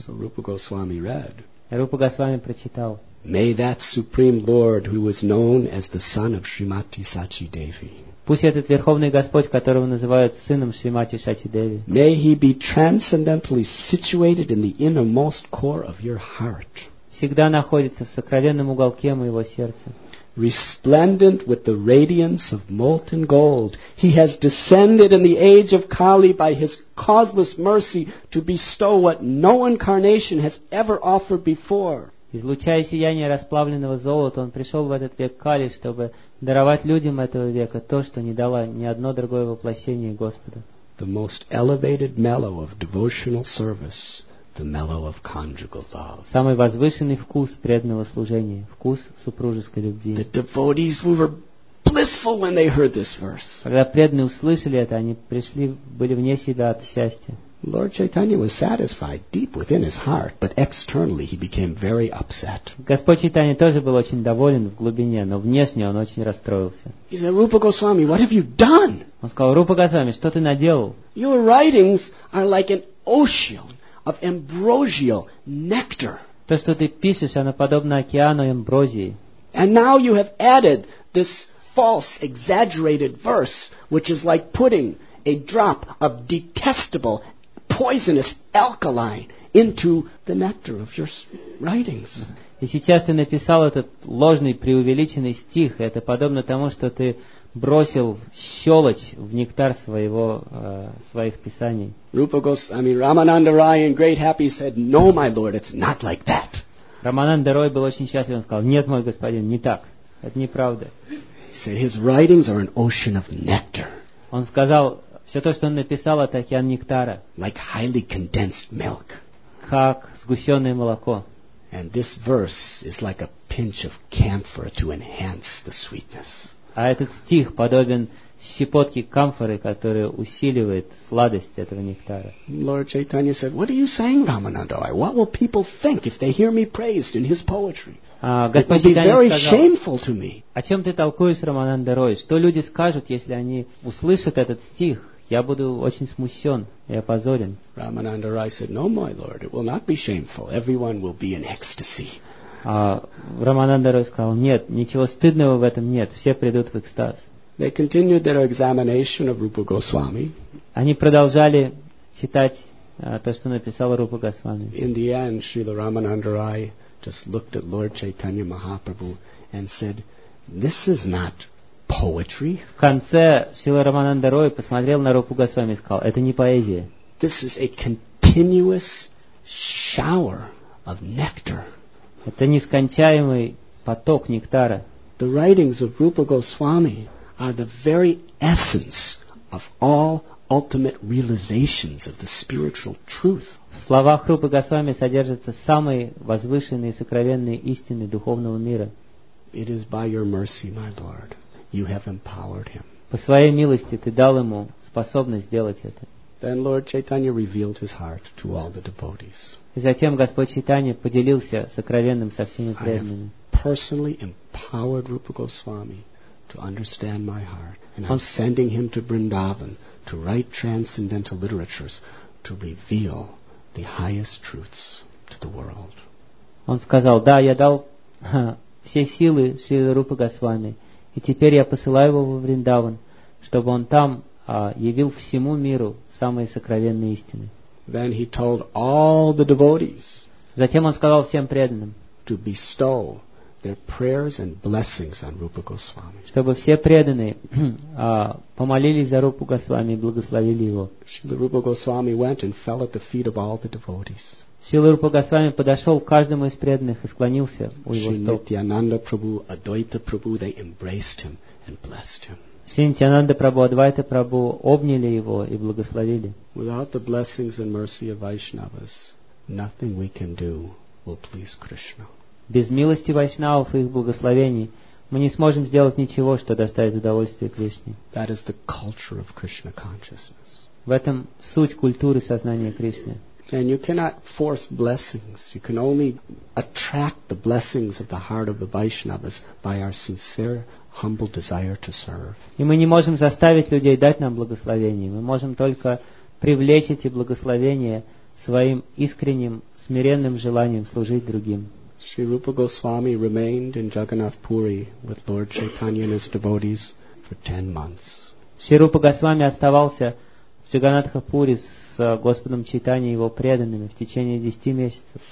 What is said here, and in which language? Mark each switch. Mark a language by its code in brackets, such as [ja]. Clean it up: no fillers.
[en] So Rupa Goswami read. [ru] Рупа Госвами прочитал. [en] May that supreme Lord, who was known as the son of Srimati Sachi Devi. [ru] Пусть этот Верховный Господь, которого называют сыном Шримати Сачи Деви. [en] May he be transcendentally situated in the innermost core of your heart. [ru] Всегда находится в сокровенном уголке моего сердца. [en] Resplendent with the radiance of molten gold, he has descended in the age of Kali by his causeless mercy to bestow what no incarnation has ever offered before. [ru] Излучая сияние расплавленного золота, он пришел в этот век Кали, чтобы даровать людям этого века то, что не дало ни одно другое воплощение Господа. [en] The most elevated mellow of devotional service, the mellow of conjugal love. [ru] Самый возвышенный вкус преданного служения, вкус супружеской любви. [en] The devotees were blissful when they heard this verse. [ru] Когда преданные услышали это, они пришли, были вне себя от счастья. [en] Lord Chaitanya was satisfied deep within his heart, but externally he became very upset. [ru] Господь Чайтанья тоже был очень доволен в глубине, но внешне он очень расстроился. [en] He said, Rupa Goswami, what have you done? [ru] Он сказал, Рупа Госвами, что ты наделал? [en] Your writings are like an ocean of ambrosial nectar. [ru] То, что ты пишешь, оно подобно океану амброзии. [en] And now you have added this false, exaggerated verse, which is like putting a drop of detestable poisonous alkaline into the nectar of your writings. [ru] И сейчас ты написал этот ложный, преувеличенный стих. Это подобно тому, что ты бросил щелочь в нектар своего своих писаний. [en] Рамананда Рай in great happy said, "No, my lord, it's not like that." [ru] Рамананда Рай был очень счастлив, он сказал: "Нет, мой господин, не так. Это неправда." [en] He said, "His writings are an ocean of nectar." [ru] Он сказал: все то, что он написал, это океан нектара. [en] Like highly condensed milk. [ru] Как сгущенное молоко. [en] And this verse is like a pinch of camphor to enhance the sweetness. [ru] А этот стих подобен щепотке камфоры, которая усиливает сладость этого нектара. [en] Lord Chaitanya said, "What are you saying, Ramananda? What will people think if they hear me praised in his poetry?" [ru] Господь Чайтанья сказал, [en] shameful to me. [ru] О чем ты толкуешь, Рамананда Рой? Что люди скажут, если они услышат этот стих? Я буду очень смущен и опозорен. [en] Рамананда Рой said, "No, my lord, it will not be shameful. Everyone will be in ecstasy." [ru] Рамананда Рой сказал, нет, ничего стыдного в этом нет, все придут в экстаз. [en] They continued their examination of Rupa Goswami. [ru] Они продолжали читать то, что написал Рупа Госвами. [en] In the end, Srila Ramananda Rai just looked at Lord Chaitanya Mahaprabhu and said, "This is not poetry." [ru] В конце Srila Ramananda Rai посмотрел на Рупу Госвами и сказал, "Это не поэзия." [en] This is a continuous shower of nectar. [ru] Это нескончаемый поток нектара. [en] The writings of Rupa Goswami are the very essence of all ultimate realizations of the spiritual truth. [ru] В словах Рупы Госвами содержатся самые возвышенные и сокровенные истины духовного мира. [en] It is by your mercy, my Lord, you have empowered him. [ru] По своей милости ты дал ему способность сделать это. [en] Then Lord Chaitanya revealed his heart to all the devotees. [ru] И затем Господь Чайтанья поделился сокровенным со всеми преданными. [en] I have personally empowered Rupa Goswami to understand my heart, and I'm sending him to Vrindavan to write transcendental literatures to reveal the highest truths to the world. [ru] Он сказал, да, я дал все силы Шри Рупа Госвами, и теперь я посылаю его во Вриндаван, чтобы он там явил всему миру самые сокровенные истины. [en] Then he told all the devotees. [ru] Затем он сказал всем преданным [en] to bestow their prayers and blessings on Rupa Goswami. [ru] Чтобы все преданные помолились за Рупу Госвами и благословили его. [en] Srila Rupa Goswami went and fell at the feet of all the devotees. [ru] Srila Rupa Goswami подошел к каждому из преданных и склонился у его стоп. [en] Srila Nityananda Prabhu, Advaita Prabhu, they embraced him and blessed him. [ru] Srila Nityananda Prabhu, Advaita Prabhu обняли его и благословили. [en] Without the blessings and mercy of Vaishnavas, nothing we can do will please Krishna. [ru] Без милости вайшнавов и их благословений мы не сможем сделать ничего, что доставит удовольствие Кришне. [en] That is the culture of Krishna consciousness. [ru] В этом суть культуры сознания Кришны. [en] And you cannot force blessings. You can only attract the blessings of the heart of the Vaishnavas by our sincere, humble desire to serve. [ru] И мы не можем заставить людей дать нам благословение. Мы можем только привлечь эти благословения своим искренним, смиренным желанием служить другим. [en] Sri Rupa Goswami remained in Jagannath Puri with Lord Chaitanya and his devotees for 10 months. [ru] Sri Rupa Goswami оставался в Джаганнатхапуре с Господом Чайтаньей и его преданными в течение 10 месяцев.